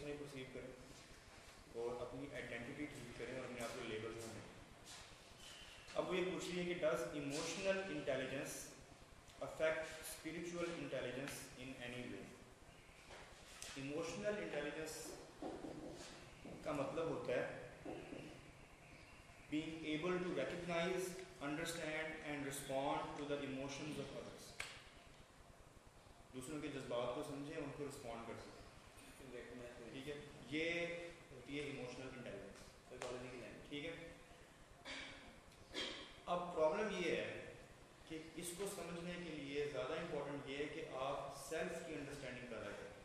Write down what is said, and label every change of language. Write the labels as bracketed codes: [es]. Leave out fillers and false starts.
[hi] Perceive करें और अपनी आइडेंटिटी ठीक करें और अपने आप को लेबल बनाएं। अब वो ये पूछ रही है कि [en] Does emotional intelligence affect spiritual intelligence in any way. [hi] Emotional intelligence का मतलब होता है [en] being able to recognize, understand and respond to the emotions of others. [hi] दूसरों के जज्बात को समझे, उनको respond कर सके, ठीक है, ये होती है emotional intelligence। ठीक है, अब problem ये है कि इसको समझने के लिए ज़्यादा important ये है कि आप self की understanding कर रहे हैं।